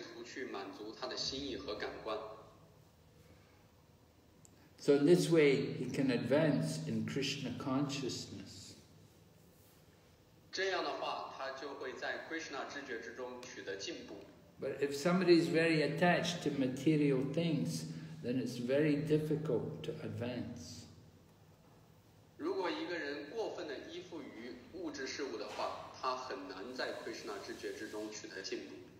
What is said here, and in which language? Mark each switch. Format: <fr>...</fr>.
<zh>他不会试图去满足他的心意和感官。</zh> <en>So in this way, he can advance in Krishna consciousness.</en> <zh>这样的话，他就会在Krishna知觉之中取得进步。</zh> <en>But if somebody is very attached to material things, then it's very difficult to advance.</en> <zh>如果一个人过分地依附于物质事物的话，他很难在Krishna知觉之中取得进步。</zh>